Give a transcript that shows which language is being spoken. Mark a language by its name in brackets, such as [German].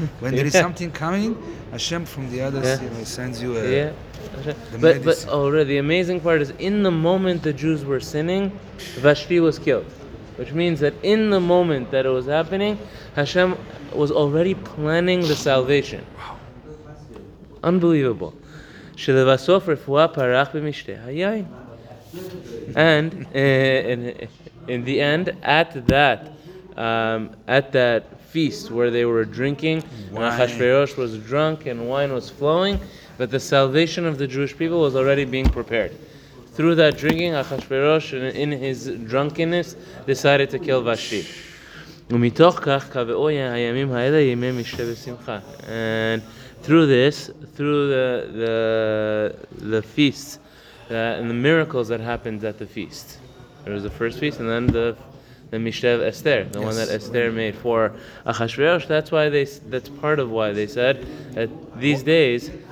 [English] When there is something coming, Hashem from the other sends you the medicine. But the amazing part is, in the moment the Jews were sinning, Vashti was killed. Which means that in the moment that it was happening, Hashem was already planning the salvation. Wow. Unbelievable. [Hebrew] שלבסוף רפואה פרח במשתה היין. [English] And in the end, at that feast where they were drinking, and Achashverosh was drunk and wine was flowing, but the salvation of the Jewish people was already being prepared. Through that drinking, Achashverosh, in his drunkenness, decided to kill Vashti. [Hebrew] ומתוך כך קבעו הימים האלה ימי משתה ושמחה. [English] And through this, through the feasts and the miracles that happened at the feast. There was the first feast and then the Mishtev Esther, one that Esther made for Achashverosh. That's part of why they said that these days,